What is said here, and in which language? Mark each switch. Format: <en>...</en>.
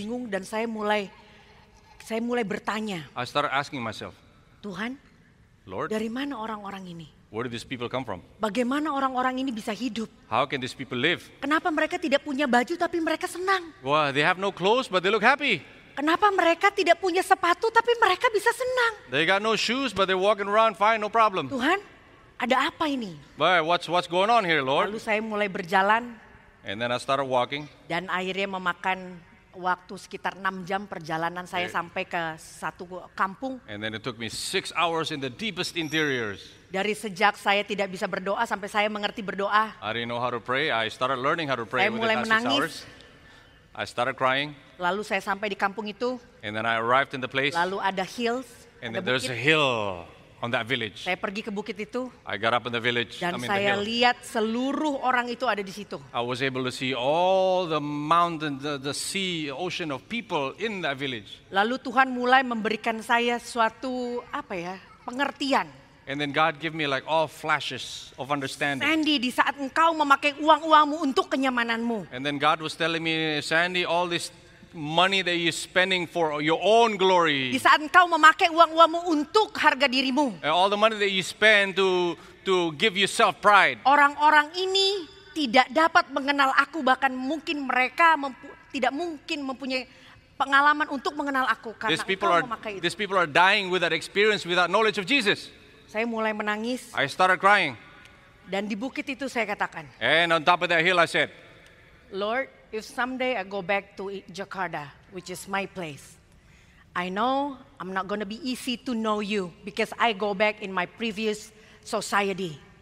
<id>Bingung dan saya mulai bertanya.</id> <en>I started asking myself.</en> <id>Tuhan,</id> <en>Lord,</en> <id>dari mana orang-orang ini?</id> <en>Where do these people come from?</en> <id>Bagaimana orang-orang ini bisa hidup?</id> <en>How can these people live?</en> <id>Kenapa mereka tidak punya baju tapi mereka senang?</id> <en>Wow, they have no clothes but they look happy.</en> <id>Kenapa mereka tidak punya sepatu tapi mereka bisa senang?</id> <en>They got no shoes but they're walking around fine, no problem.</en> <id>Tuhan, ada apa ini?</id> <en>Wow, what's going on here, Lord?</en> <id>Lalu saya mulai berjalan.</id> <en>And then I started walking.</en> <id>Dan akhirnya memakan waktu sekitar 6 jam perjalanan saya sampai ke satu kampung.</id> <en>And then it took me 6 hours in the deepest interiors.</en> <id>Dari sejak saya tidak bisa berdoa sampai saya mengerti berdoa.</id> <en>I didn't know how to pray. I started learning how to pray.</en> <id>Saya mulai menangis.</id> <en>I started crying.</en> <id>Lalu saya sampai di kampung itu.</id> <en>And then I arrived in the place.</en> <id>Lalu ada hills.</id> <en>And then there's a hill on that village.</en> <id>Saya pergi ke bukit itu.</id> <en>I got up in the village.</en> <id>Dan saya lihat seluruh orang itu ada di situ.</id> <en>I was able to see all the mountain, the sea, ocean of people in that village.</en> <id>Lalu Tuhan mulai memberikan saya suatu pengertian.</id> <en>And then God gave me like all flashes of understanding.</en> <id>Shandy, di saat engkau memakai uang-uangmu untuk kenyamananmu.</id> <en>And then God was telling me, Shandy, all this money that you're spending for your own glory.</en> <id>Di saat engkau memakai uang-uangmu untuk harga dirimu.</id> <en>And all the money that you spend to give yourself pride.</en> <id>Orang-orang ini tidak dapat mengenal aku, bahkan mungkin mereka tidak mungkin mempunyai pengalaman untuk mengenal aku karena engkau memakai itu.</id> <en>These people are dying without experience, without knowledge of Jesus.</en> <id>Saya mulai menangis.</id> <en>I started crying.</en> <id>Dan di bukit itu saya katakan.</id> <en>And on top of that hill I said, Lord, if someday I go back to Jakarta, which is my place, I know I'm not going to be easy to know you because I go back in my previous society.</en>